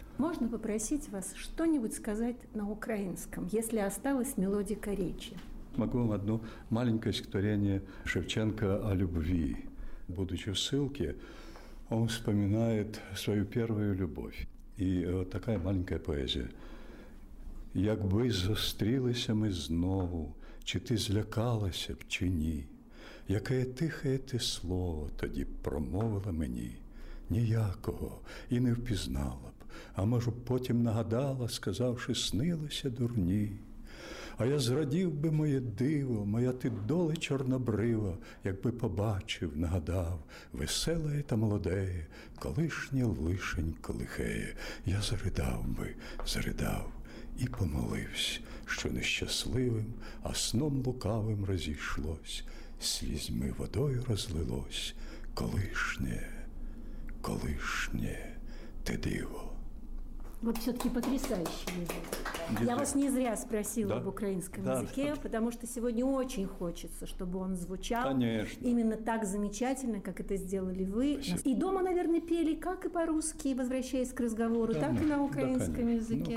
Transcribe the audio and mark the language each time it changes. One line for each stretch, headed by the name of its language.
Russian: Можно попросить вас что-нибудь сказать на украинском, если осталась мелодика речи? Могу вам одно маленькое стихотворение Шевченко о любви. Будучи в ссылке, он вспоминает свою первую любовь. И вот такая маленькая поэзия.
Ukrainian: «Як би зустрілися ми знову, чи ти злякалася б чи ні, яке тихе ти слово тоді промовила мені, ніякого і не впізнала б, а може потім нагадала, сказавши, снилися дурні. А я зрадів би моє диво, моя ти доле чорнобрива, якби побачив, нагадав, веселеє та молодеє, колишнє лишень лихеє. Я заридав би, заридав і помолився, що нещасливим, а сном лукавим розійшлось, слізьми водою розлилось, колишнє. Колишнє, ти диво».
Russian: Вот все-таки потрясающий язык. Я вас не зря спросила об украинском языке, потому что сегодня очень хочется, чтобы он звучал именно так замечательно, как это сделали вы. Спасибо. И дома, наверное, пели как и по-русски, возвращаясь к разговору, так и на украинском языке.